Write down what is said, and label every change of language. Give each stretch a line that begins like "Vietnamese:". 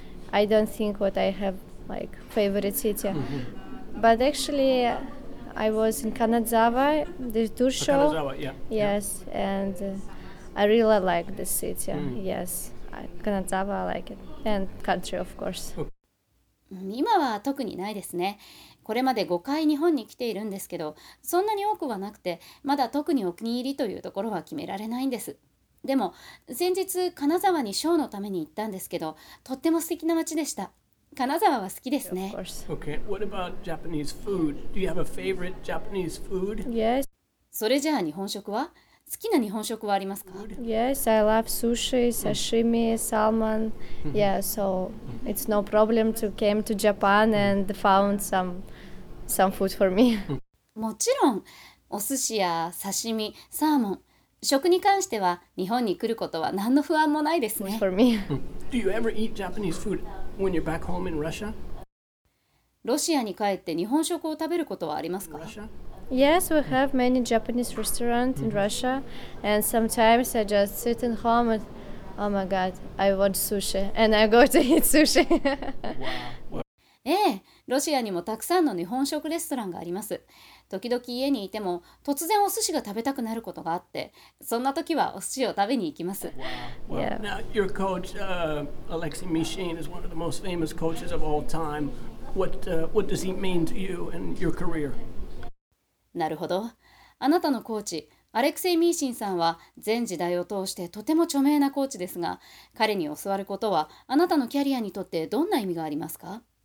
English: I don't think what I have like favorite city, but actually I was in Kanazawa, the tour show. Kanazawa, yeah. Yes, yeah. And I really like this city. Yes, Kanazawa, I like it, and country of course.
Japanese: 今は特にないですね。これまで5回日本に来ているんですけど、そんなに多くはなくて、まだ特にお気に入りというところは決められないんです。でも先日金沢にショーのために行ったんですけど、とっても素敵な街でした。金沢は好きですね。
English: Okay. What about Japanese food? Do you have a favorite Japanese food? Yes.
Japanese: それじゃあ日本食は、好きな日本食はありますか？
English: Yes, I love sushi, sashimi, salmon. Yeah, so it's no problem to came to Japan and found some food for me.
Japanese: もちろんお寿司や刺身、サーモン、食に関しては日本に来ることは何の不安もないですね。
English: For me. Do you ever eat Japanese food when you're back home in Russia?
Japanese: ロシアに帰って日本食を食べることはありますか？
English: Yes, we have many Japanese restaurants in Russia, and sometimes I just sit at home and, oh my god, I want sushi, and I go to eat sushi.
Japanese: ええ、ロシアにもたくさんの日本食レストランがあります。時々家にいても突然お寿司が食べたくなることがあって、そんな時はお寿司を食べに行きます。
English: Wow. Well, Now your coach, Alexei Mishin, is one of the most famous coaches of all time. What does he mean to you and your career?
Japanese: なるほど。あなたのコーチ、アレクセイ・ミーシンさんは全時代を通してとても著名なコーチですが、彼に教わることはあなたのキャリアにとってどんな意味がありますか？